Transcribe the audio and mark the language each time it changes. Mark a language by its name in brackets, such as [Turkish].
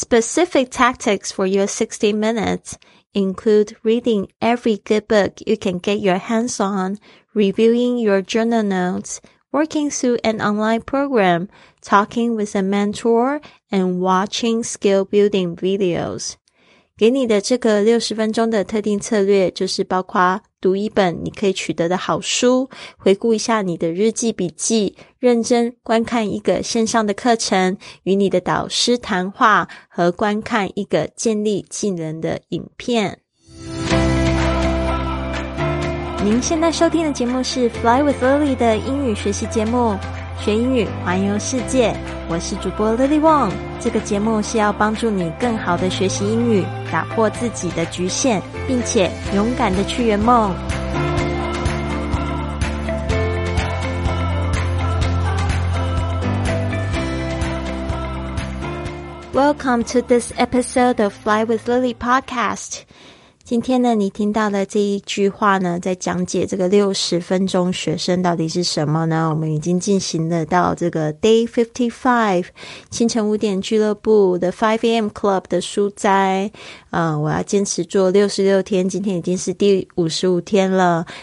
[English] Specific tactics for your 60 minutes include reading every good book you can get your hands on, reviewing your journal notes, working through an online program, talking with a mentor, and watching skill building videos. [Chinese] 给你的这个60分钟的特定策略就是包括读一本你可以取得的好书，回顾一下你的日记笔记，认真观看一个线上的课程，与你的导师谈话，和观看一个建立技能的影片。您现在收听的节目是 Fly with Lily 的英语学习节目，学英语环游世界，我是主播 Lily Wong。这个节目是要帮助你更好的学习英语，打破自己的局限，并且勇敢的去圆梦。 [English] Welcome to this episode of Fly with Lily podcast。 [Chinese] 今天呢，你听到的这一句话呢，在讲解这个60分钟学生到底是什么呢？我们已经进行了到这个 Day 55，清晨五点俱乐部 The 5 AM Club 的书斋。我要坚持做66天，今天已经是第55天了。